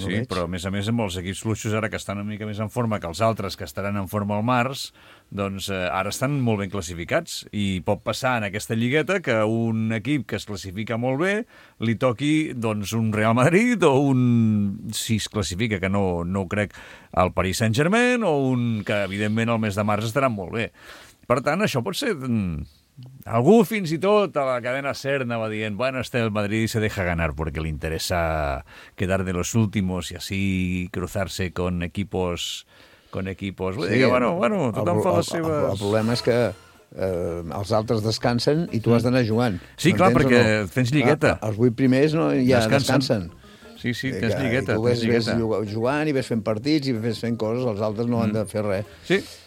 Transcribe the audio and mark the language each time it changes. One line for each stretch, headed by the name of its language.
Catalan: Sí, però a més amb els equips fluixos ara que estan una mica més en forma que els altres, que estaran en forma al març, doncs ara estan molt ben classificats, i pot passar en aquesta lligueta que un equip que es classifica molt bé li toqui doncs un Real Madrid, o un, si es classifica, que no ho crec, el Paris Saint-Germain, o un que evidentment el mes de març estarà molt bé. Per tant, això pot ser... Algú fins i tot a la cadena SER anava dient,
Spanish: bueno, este el Madrid se deja ganar porque le interesa quedar de los últimos y así cruzarse con equipos...
Catalan: Vull dir que, bueno, tothom fa les seves... El problema és que els altres descansen i tu has d'anar jugant. Sí, clar, perquè tens lligueta. Els vuit primers ja descansen. Sí, sí, tens lligueta. I tu ves jugant i ves fent partits i ves fent coses, els altres no han de fer res. Sí.